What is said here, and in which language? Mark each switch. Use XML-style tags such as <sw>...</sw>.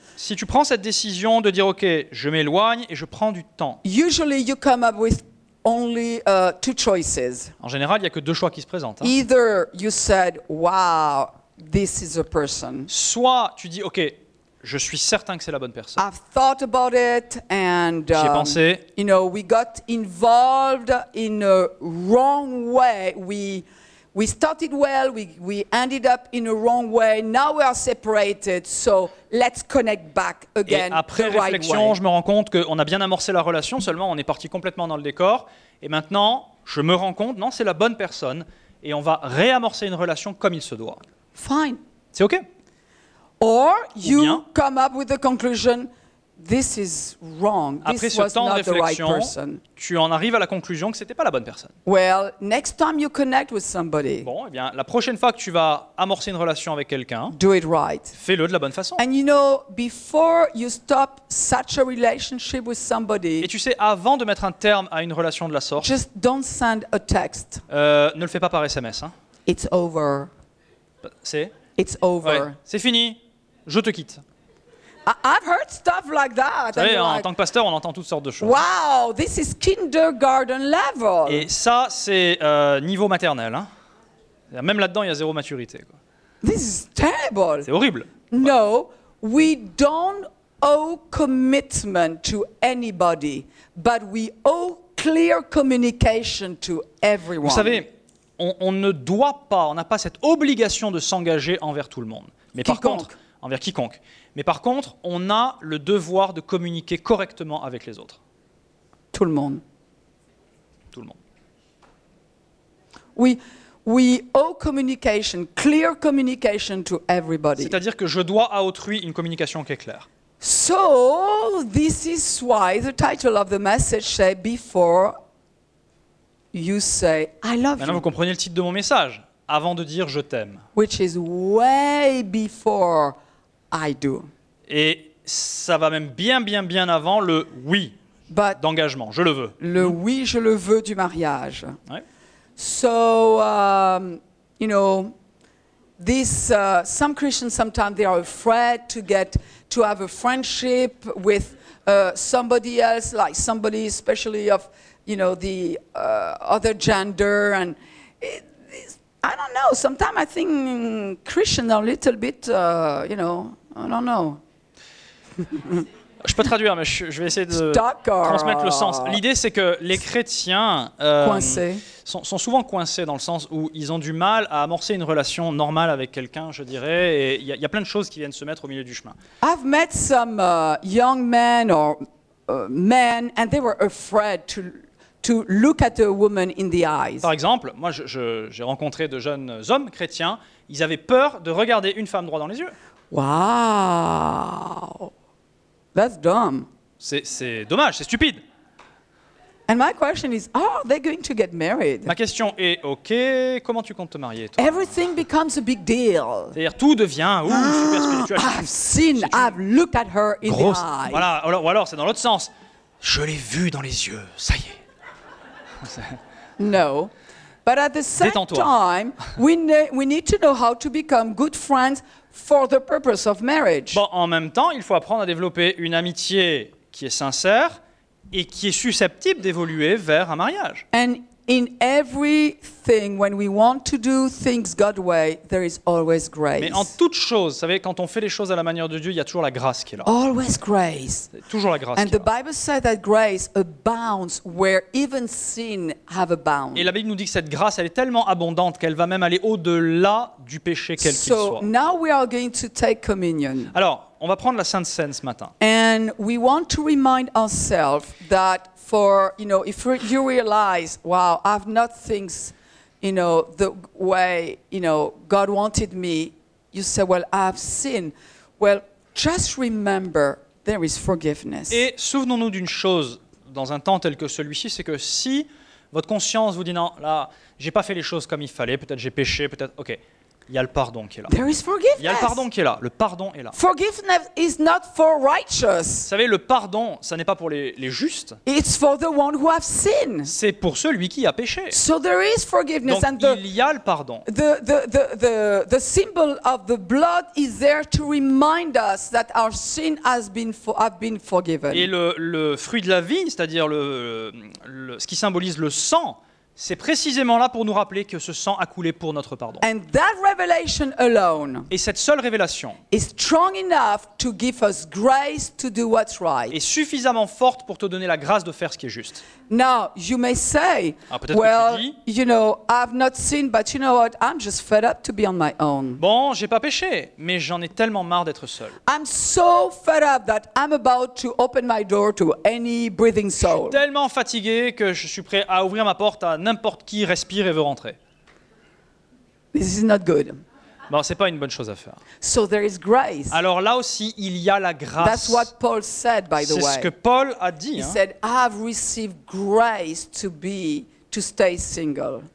<fr>si tu prends cette décision de dire « Ok, je m'éloigne et je prends du temps. »</fr> <en>Usually you come up with only two choices.</en> <fr>En général, il n'y a que deux choix qui se présentent. Hein.</fr> <en>Either you said « Wow !» This is a person.</en> <fr>Soit tu dis OK, je suis certain que c'est la bonne personne.</fr> <en>I've thought about it and</en> <fr>j'ai pensé.</fr> <en>You know, we got involved in a wrong way. We started well, we ended up in a wrong way. Now we are separated, so let's connect back again.</en> <fr>Et après</fr> <en>the</en> <fr>réflexion,</fr> <en>right way.</en> <fr>Je me rends compte que on a bien amorcé la relation, seulement on est parti complètement dans le décor et maintenant, je me rends compte, non, c'est la bonne personne et on va réamorcer une relation comme il se doit.</fr> <en>Fine.</en> <fr>C'est OK.</fr> <en>Or you come up with the conclusion, this is wrong.</en> <fr>Après ce temps de réflexion, tu en arrives à la conclusion que c'était pas la bonne personne.</fr> <en>Well, next time you connect with somebody.</en> <fr>Bon, eh bien, la prochaine fois que tu vas amorcer une relation avec quelqu'un,</fr> <en>do it right.</en> <fr>Fais-le de la bonne façon.</fr> <en>And you know, before you stop such a relationship with somebody.</en> <fr>Et tu sais, avant de mettre un terme à une relation de la sorte,</fr> <en>just don't send a text.</en> <fr>Ne le fais pas par SMS. Hein.</fr> <en>It's over. It's over.</en> <fr>Ouais. C'est fini. Je te quitte. I've heard stuff like that. Vous savez, en tant que pasteur, on entend toutes sortes de choses.</fr> <en>Wow, this is kindergarten level.</en> <fr>Et ça, c'est niveau maternel. Hein. Même là-dedans, il y a zéro maturité. Quoi.</fr> <en>This is terrible.</en> <fr>C'est horrible.</fr> <en>No, we don't owe commitment to anybody, but we owe clear communication to everyone.</en> <fr>Vous savez, on ne doit pas, on n'a pas cette obligation de s'engager envers tout le monde. Mais quiconque. Envers quiconque. Mais par contre, on a le devoir de communiquer correctement avec les autres. Tout le monde. Tout le monde.</fr> <en>We owe communication, clear communication to everybody.</en> <fr>C'est-à-dire que je dois à autrui une communication qui est claire.</fr> <en>So, this is why the title of the message said before you say, I love</en> <fr>Maintenant, vous comprenez le titre de mon message. Avant de dire je t'aime. Which is way before I do. Et ça va même bien avant le oui</fr> <en>But</en> <fr>d'engagement. Je le veux. Le oui, je le veux du mariage. Ouais.</fr> <en>So you know, this some Christians sometimes they are afraid to get to have a friendship with somebody else, like somebody especially of you know the other gender and. I don't know. Sometimes I think Christians are a little bit, you know, I don't know.</en> <fr>Je peux traduire, mais je vais essayer de transmettre le sens. L'idée, c'est que les chrétiens sont souvent coincés dans le sens où ils ont du mal à amorcer une relation normale avec quelqu'un, je dirais. Et il y a plein de choses qui viennent se mettre au milieu du chemin.</fr> <en>I've met some young men or men, and they were afraid to look at a woman in the eyes.</en> <fr>Par exemple, moi, j'ai rencontré de jeunes hommes chrétiens. Ils avaient peur de regarder une femme droit dans les yeux.</fr> <en>Wow, that's dumb.</en> <fr>C'est dommage, c'est stupide.</fr> <en>And my question is, are they going to get married?</en> <fr>Ma question est, ok, comment tu comptes te marier, toi?</fr> <en>Everything becomes a big deal.</en> <fr>C'est-à-dire, tout devient, super spirituel.</fr> <en>I've seen, I've looked at her in</en> <fr>grosse,</fr> <en>the eyes.</en> <fr>Voilà, ou alors, c'est dans l'autre sens. Je l'ai vue dans les yeux, ça y est.</fr> <en>No, but at the same</en> <fr>Détends-toi.</fr> <en>Time, we need to know how to become good friends for the purpose of marriage.</en> <fr>Bon, en même temps, il faut apprendre à développer une amitié qui est sincère et qui est susceptible d'évoluer vers un mariage.</fr> <en>And in everything, when we want to do things God's way, there is always grace.</en> <fr>Mais en toute chose, vous savez, quand on fait les choses à la manière de Dieu, il y a toujours la grâce qui est là.</fr> <en>Always grace.</en> <fr>Toujours la grâce.</fr> <en>And the Bible says that grace abounds where even sin have abounded.</en> <fr>Et la Bible nous dit que cette grâce, elle est tellement abondante qu'elle va même aller au-delà du péché quel qu'il soit.</fr> <en>So now we are going to take communion.</en> <fr>Alors, on va prendre la Sainte Cène ce matin.</fr> <en>And we want to remind ourselves that. For you know, if you realize, wow, I've not things, you know, the way you know God wanted me, you say, well, I've sinned. Well, just remember, there is forgiveness.</en> <fr>Et souvenons-nous d'une chose dans un temps tel que celui-ci, c'est que si votre conscience vous dit non, là, j'ai pas fait les choses comme il fallait, peut-être j'ai péché, peut-être, ok. Il y a le pardon qui est là.</fr> <en>There is forgiveness.</en> <fr>Il y a le pardon qui est là. Le pardon est là.</fr> <en>Forgiveness is not for righteous.</en> <fr>Vous savez, le pardon, ça n'est pas pour les justes.</fr> <en>It's for the one who have sinned.</en> <fr>C'est pour celui qui a péché.</fr> <en>So there is forgiveness.</en> <fr>Donc,</fr> <en>and</en> <fr>il y a le pardon.</fr> <en>The symbol of the blood is there to remind us that our sin has been been forgiven.</en> <fr>Et le fruit de la vigne, c'est-à-dire le ce qui symbolise le sang. C'est précisément là pour nous rappeler que ce sang a coulé pour notre pardon.</fr> <en>And that revelation alone</en> <fr>et cette seule révélation</fr> <en>is strong enough to give us grace to do what's right.</en> <fr>Est suffisamment forte pour te donner la grâce de faire ce qui est juste.</fr> <en>Now, you may say, well, you know, I've not sinned, but you know what? I'm just fed up to be on my own.</en> <fr>Bon, j'ai pas péché, mais j'en ai tellement marre d'être seul.</fr> <en>I'm so fed up that I'm about to open my door to any breathing soul.</en> <fr>Je suis tellement fatigué que je suis prêt à ouvrir ma porte à n'importe qui respire et veut rentrer.</fr> <en>This is not good.</en> <fr>Bon, c'est pas une bonne chose à faire.</fr> <en>So there is grace.</en> <fr>Alors là aussi, il y a la grâce.</fr> <en>That's what Paul said, by the</en> <fr>c'est</fr> <en>way.</en> <fr>Ce que Paul a dit.</fr> <en>He</en> <fr>hein.</fr> <en>said, I have received grace to be to stay single.</en>